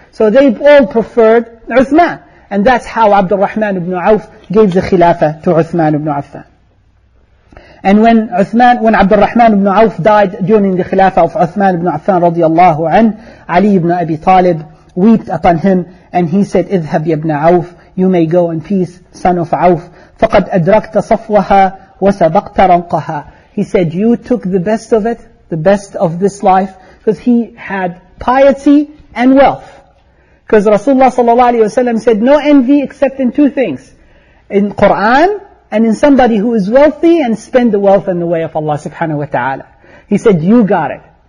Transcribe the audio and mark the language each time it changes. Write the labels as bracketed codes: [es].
[en] So they all preferred Uthman. And that's how Abdurrahman ibn Auf gave the Khilafah to Uthman ibn Affan. And when Abdurrahman ibn Auf died during the Khilafah of Uthman ibn Affan radiallahu anhu, Ali ibn Abi Talib wept upon him and he said, [ar] اذهب يا ابن عوف, [en] you may go in peace, son of Auf. [ar] فقد أدركت صفوها وسبقت رنقها. [en] He said, you took the best of it, the best of this life, because he had piety and wealth. Because Rasulullah sallallahu alayhi wa sallam said, no envy except in two things. In Quran, and in somebody who is wealthy and spend the wealth in the way of Allah subhanahu wa ta'ala. He said, you got it.